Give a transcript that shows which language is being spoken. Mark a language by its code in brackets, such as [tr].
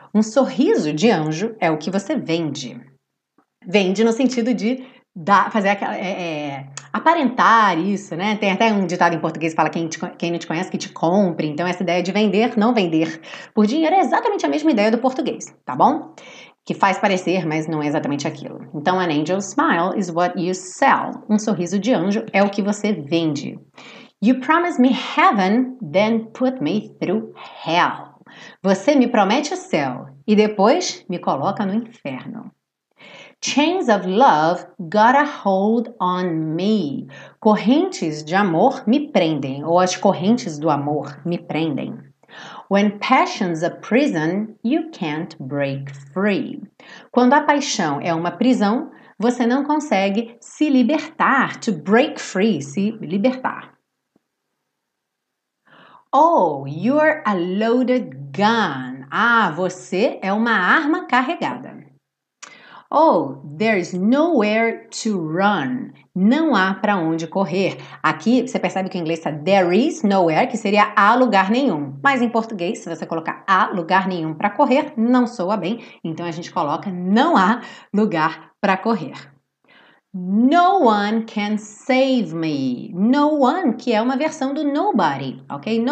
[pt] Um sorriso de anjo é o que você vende. Vende no sentido de dar, fazer aquela, aparentar isso, né? Tem até um ditado em português que fala: quem não te conhece, que te compre. Então, essa ideia de vender, não vender por dinheiro é exatamente a mesma ideia do português, tá bom? Que faz parecer, mas não é exatamente aquilo. Então, [en] an angel's smile is what you sell. [pt] Um sorriso de anjo é o que você vende. [en] You promise me heaven, then put me through hell. [pt] Você me promete o céu e depois me coloca no inferno. [en] Chains of love got a hold on me. [pt] Correntes de amor me prendem, ou as correntes do amor me prendem. [en] When passion's a prison, you can't break free. [pt] Quando a paixão é uma prisão, você não consegue se libertar, [en] to break free, [pt] se libertar. [en] Oh, you're a loaded gun. [pt] Ah, você é uma arma carregada. [en] Oh, there's nowhere to run. [pt] Não há para onde correr. Aqui, você percebe que em inglês está [en] there is nowhere, [pt] que seria há lugar nenhum. Mas em português, se você colocar há lugar nenhum para correr, não soa bem. Então a gente coloca não há lugar para correr. [en] No one can save me. No one, [pt] que é uma versão do [en] nobody, ok?